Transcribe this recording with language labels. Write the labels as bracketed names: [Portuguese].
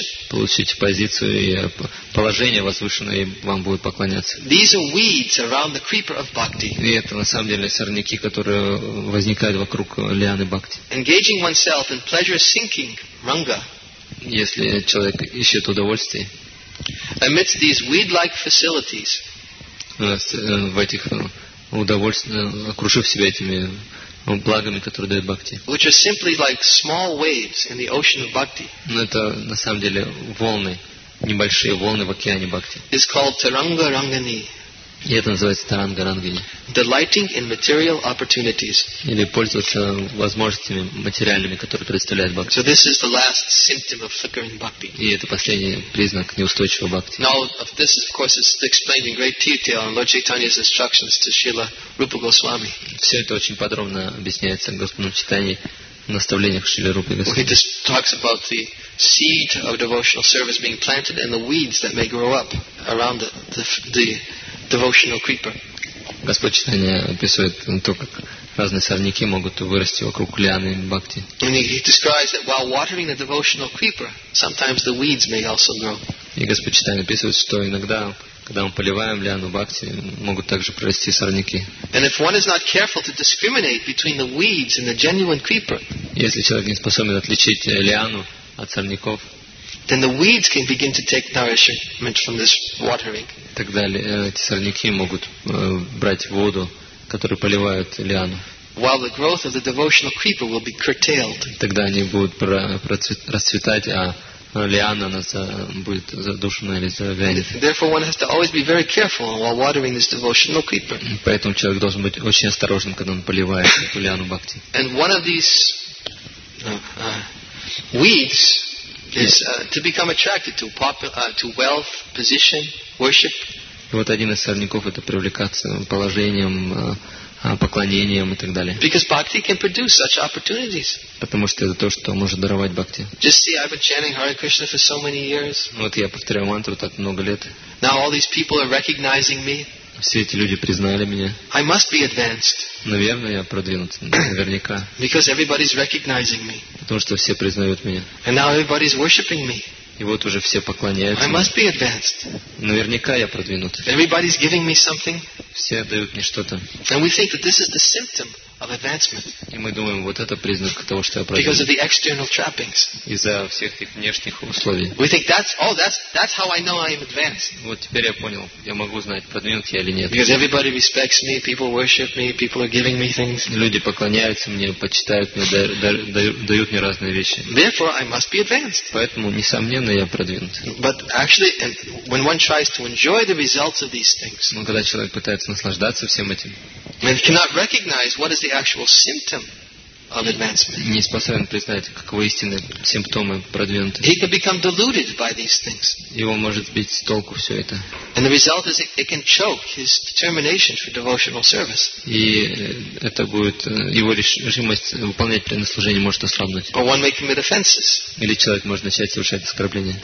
[Russian] получить позицию и положение возвышенное, и вам будет поклоняться. [English] These are weeds around the creeper of bhakti. [Russian] И это на самом деле сорняки, которые возникают вокруг лианы бхакти. [English] Engaging oneself in pleasure-sinking ranga. [Russian] Если человек ищет удовольствие, [English] amidst these weed-like facilities, [Russian] в этих удовольствиях, окружив себя этими благами, которые дает бхакти. [English] Which are simply like small waves in the ocean of bhakti. [Russian] Но это на самом деле волны, небольшие волны в океане бхакти. [English] It's called taranga rangani. [Russian] И это называется таранга рангани. [English] Delighting in material opportunities. [Russian] Или пользоваться возможностями материальными, которые предоставляет бхакти. [English] So this is the last symptom of flickering bhakti. [Russian] И это последний признак неустойчивого бхакти. [English] Now this of course is explained in great detail in Lord Chaitanya's instructions to Srila Rupa Goswami. [Russian] Все это очень подробно объясняется Господом Чайтаньей в наставлениях Шрилы Рупы Госвами. [English] He talks about the seed of devotional service being planted and the weeds that may grow up around the devotional creeper. [Russian] Господь Читания описывает то, как разные сорняки могут вырасти вокруг лианы бхакти. [English] And he describes that while watering the devotional creeper, sometimes the weeds may also grow. [Russian] И Господь Читание описывает, что иногда, когда мы поливаем лиану бхакти, могут также прорасти сорняки. [English] And if one is not careful to discriminate between the weeds and the genuine creeper, [Russian] если человек не способен отличить лиану от сорняков, [English] then the weeds can begin to take nourishment from this watering. [Russian] Тогда эти сорняки могут брать воду, которую поливают лиану. [English] While the growth of the devotional creeper will be curtailed. [Russian] Тогда они будут расцветать, а лиана она будет задушена или завянет. [English] Therefore, one has to always be very careful while watering this devotional creeper. [Russian] Поэтому человек должен быть очень осторожен, когда он поливает эту лиану бхакти. [English] And one of these weeds is to become attracted to to wealth, position, worship. [Russian] Вот один из сорняков это привлекаться положением, поклонением и так далее. [English] Because bhakti can produce such opportunities. [Russian] Потому что это то, что может даровать бхакти. [English] Just see, I've been chanting Hare Krishna for so many years. [Russian] Вот я повторяю мантру так много лет. [English] Now all these people are recognizing me. [Russian] Все эти люди признали меня. [English] I must be advanced. [Russian] Наверное, я продвинут, наверняка. [English] Because everybody's recognizing me. [Russian] Потому что все признают меня. [English] And now everybody's worshiping me. [Russian] И вот уже все поклоняются. [English] I must be advanced. [Russian] Наверняка я продвинут. [English] Everybody's giving me something. [Russian] Все дают мне что-то. [English] And we think that this is the symptom of advancement. [Russian] И мы думаем, вот это признак того, что я продвинут. [English] Because of the external trappings. [Russian] Из-за всех этих внешних условий. [English] We think that's how I know I am advanced. [Russian] Вот теперь я понял, я могу знать, продвинут я или нет. [English] Because everybody respects me, people worship me, people are giving me things. [Russian] Люди поклоняются мне, почитают мне, дают мне разные вещи. [English] Therefore, I must be advanced. [Russian] Поэтому несомненно я продвинут. [English] But actually, when one tries to enjoy the results of these things, [Russian] но когда человек пытается наслаждаться всем этим, [English] and cannot recognize what is the actual symptom of advancement. [Russian] Не способен признать, каковы истинные симптомы продвинутости. [English] He can become deluded by these things. [Russian] Его может сбить с толку все это. [English] And the result is it can choke his determination for devotional service. [Russian] И это будет его решимость выполнять принаслужение может ослабнуть. [English] Or one may commit offenses. [Russian] Или человек может начать совершать оскорбления.